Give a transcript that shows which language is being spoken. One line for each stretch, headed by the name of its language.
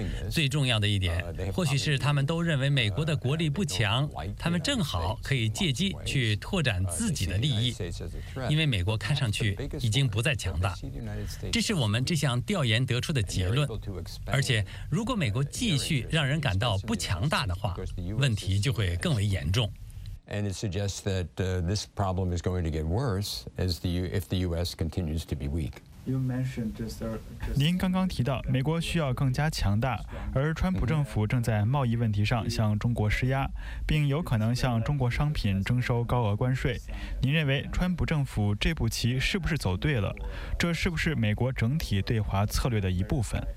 Chinese: 最重要的一点，或许是他们都认为美国的国力不强，他们正好可以借机去拓展自己的利益，因为美国看上去已经不再强大。这是我们这项调研得出的结论。而且，如果美国继续让人感到不强大的话，问题就会更为严重。
English: And it suggests that this problem is going to get worse as the if the U.S. continues to be weak. You mentioned just.
Chinese: 您刚刚提到美国需要更加强大，而川普政府正在贸易问题上向中国施压，并有可能向中国商品征收高额关税。您认为川普政府这步棋是不是走对了？这是不是美国整体对华策略的一部分？